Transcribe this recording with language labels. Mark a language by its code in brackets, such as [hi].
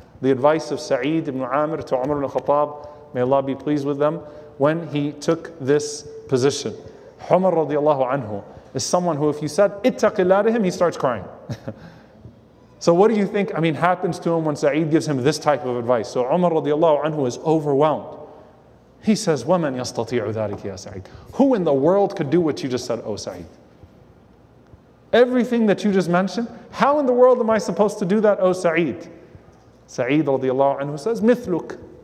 [en] The advice of Saeed ibn Amir to Umar ibn Khattab, may Allah be pleased with them, when he took this position. Umar radiallahu anhu is someone who, if you said, [ar] ittaqillah [en] to him, he starts crying. So what do you think, I mean, happens to him when Saeed gives him this type of advice? So Umar radiallahu anhu is overwhelmed. He says, [ar] وَمَنْ يَسْتَطِيعُ ذَلِكَ يَا سَعِيدُ. [en] Who in the world could do what you just said, O Saeed? Everything that you just mentioned, how in the world am I supposed to do that, O Saeed? Saeed radiallahu anhu says, [ar] مِثْلُكَ.